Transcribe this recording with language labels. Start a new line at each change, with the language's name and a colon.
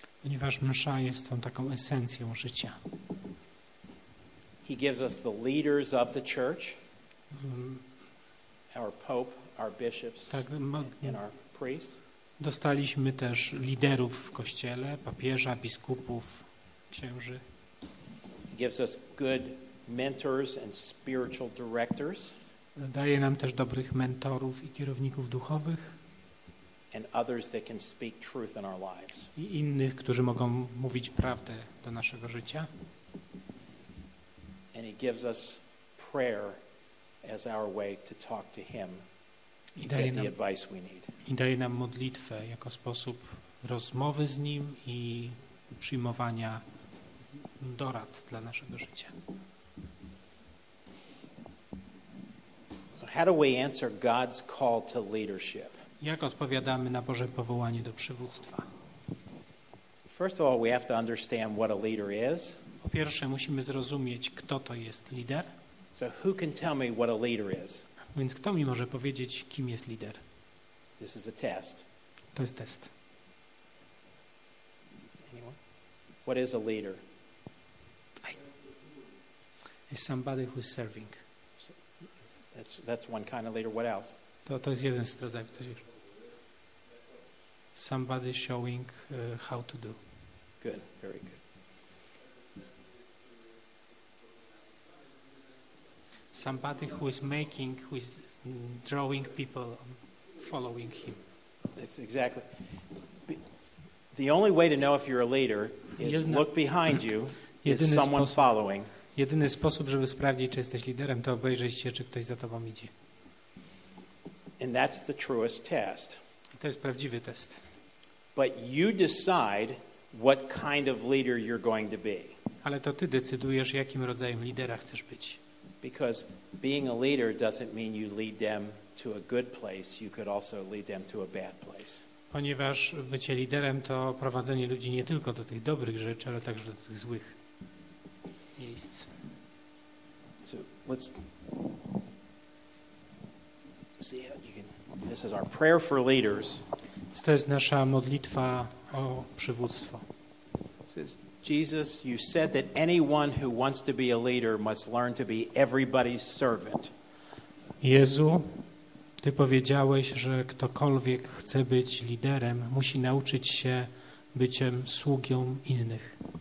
Polish: Ponieważ msza jest tą taką esencją życia.
English: He gives us the leaders of the church. Our pope, our bishops,
Polish: tak,
English: and our priests.
Polish: Dostaliśmy też liderów w kościele, papieża, biskupów, księży.
English: He gives us good mentors and spiritual directors.
Polish: Daje nam też dobrych mentorów i kierowników duchowych.
English: And others that can speak truth in our lives.
Polish: I innych, którzy mogą mówić prawdę do naszego życia.
English: And he gives us prayer as our way to talk to him and get the advice we need.
Polish: I daje nam modlitwę jako sposób rozmowy z nim i przyjmowania dorad dla naszego życia.
English: So how do we answer God's call to leadership?
Polish: Jak odpowiadamy na Boże powołanie do przywództwa?
English: First of all, we have to understand what a leader is.
Polish: Po pierwsze, musimy zrozumieć, kto to jest lider.
English: So who can tell me what a leader is?
Polish: Więc kto mi może powiedzieć, kim jest lider?
English: This is a test.
Polish: To jest test.
English: Anyone? What is a leader? It's somebody who is serving. So, that's one kind of leader. What else?
Polish: To jest jeden z rodzajów.
English: Somebody showing how to do. Good, very good. Somebody who is making, who is drawing people, following him. That's exactly. The only way to know if you're a leader is
Polish: jedyna,
English: look behind you, is someone
Polish: sposób,
English: following.
Polish: Jedyny sposób, żeby sprawdzić, czy jesteś liderem, to obejrzeć się, czy ktoś za tobą idzie.
English: And that's the truest test.
Polish: To jest prawdziwy test.
English: But you decide what kind of leader you're going to be.
Polish: Ale to ty decydujesz, jakim rodzajem lidera chcesz być.
English: Because being a leader doesn't mean you lead them to a good place. You could also lead them to a bad place.
Polish: Ponieważ bycie liderem to prowadzenie ludzi nie tylko do tych dobrych rzeczy, ale także do tych złych miejsc.
English: So let's see how you can. This is our prayer for leaders.
Polish: To jest nasza modlitwa o przywództwo.
English: Says, Jesus, you said that anyone who wants to be a leader must learn to be everybody's servant.
Polish: Jezu, ty powiedziałeś, że ktokolwiek chce być liderem, musi nauczyć się byciem sługą innych.